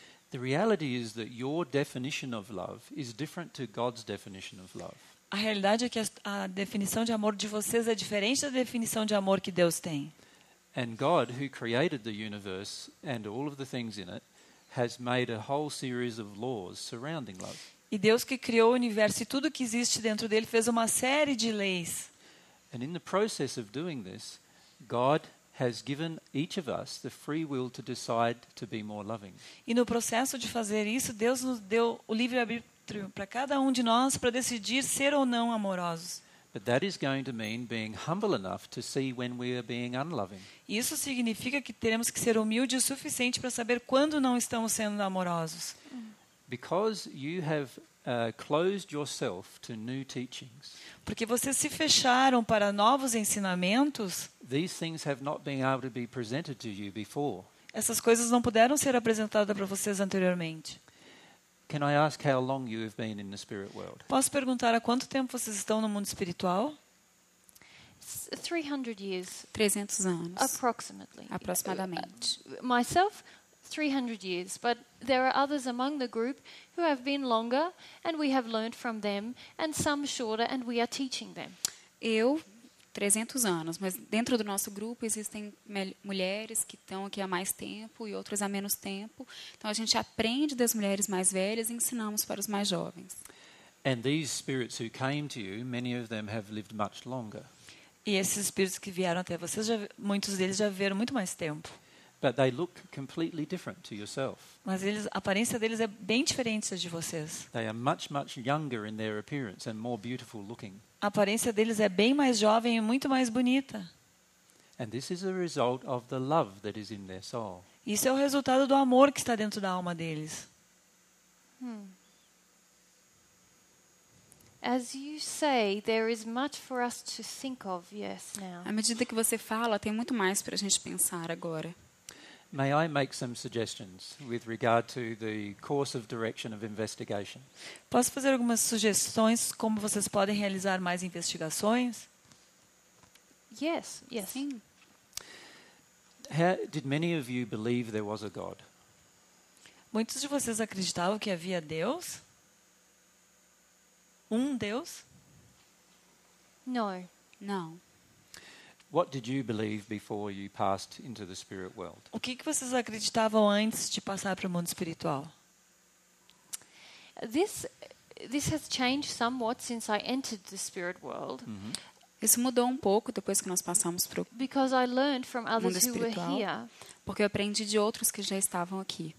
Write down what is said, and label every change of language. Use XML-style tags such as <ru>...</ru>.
<en>The reality is that your definition of love is different to God's definition of love.</en> <pt>A realidade é que a definição de amor de vocês é diferente da definição de amor que Deus tem.</pt> <en>And God, who created the universe and all of the things in it, has made a whole series of laws surrounding love.</en> <pt>E Deus que criou o universo e tudo que existe dentro dele fez uma série de leis.</pt> <en>And in the process of doing this, God has given each of us the free will to decide to be more loving.</en> <pt>E no processo de fazer isso, Deus nos deu o livre-arbítrio para cada um de nós para decidir ser ou não amorosos.</pt> <en>But that is going to mean being humble enough to see when we are being unloving.</en> <pt>Isso significa que teremos que ser humildes o suficiente para saber quando não estamos sendo amorosos.</pt> <en>Because you have closed yourself to new teachings.</en> <pt>Porque vocês se fecharam para novos ensinamentos.</pt> <en>These things have not been able to be presented to you before.</en> <pt>Essas coisas não puderam ser apresentadas para vocês anteriormente.</pt> <en>Can I ask how long you have been in the spirit world?</en> <pt>Posso perguntar há quanto tempo vocês estão no mundo espiritual?</pt> <en>300 years.</en> <pt>300 anos.</pt> <en>Approximately.</en> <pt>Aproximadamente.</pt> <en>Myself, 300 years, but there are others among the group who have been longer, and we have learned from them, and some shorter, and we are teaching them.</en> <pt>Eu, 300 anos, mas dentro do nosso grupo existem mulheres que estão aqui há mais tempo e outras há menos tempo. Então a gente aprende das mulheres mais velhas e ensinamos para os mais jovens.</pt> <en>And these spirits who came to you, many of them have lived much longer.</en> <pt>E esses espíritos que vieram até vocês, já, muitos deles já viveram muito mais tempo.</pt> <en>But they look completely different to yourself.</en> <pt>Mas eles, a aparência deles é bem diferente da de vocês.</pt> <en>They are much, much younger in their appearance and more beautiful looking.</en> <pt>A aparência deles é bem mais jovem e muito mais bonita.</pt> <en>And this is a result of the love that is in their soul.</en> <pt>Isso é o resultado do amor que está dentro da alma deles.</pt> <en>As you say, there is much for us to think of, yes, now.</en> <pt>À medida que você fala, tem muito mais para a gente pensar agora.</pt> <en>May I make some suggestions with regard to the course of direction of investigation?</en> <pt>Posso fazer algumas sugestões como vocês podem realizar mais investigações?</pt> <en>Yes, yes.</en> <pt>Sim.</pt> <en>How did many of you believe there was a God?</en> <pt>Muitos de vocês acreditavam que havia Deus? Um Deus?</pt> <en>No. No. What did you believe before you passed into the spirit world?</en> <pt>O que vocês acreditavam antes de passar para o mundo espiritual?</pt> <en>This has changed somewhat since I entered the spirit world.</en> <pt>Isso mudou um pouco depois que nós passamos para o mundo espiritual.</pt> <en>Because I learned from others who were here.</en> <pt>Porque eu aprendi de outros que já estavam aqui.</pt>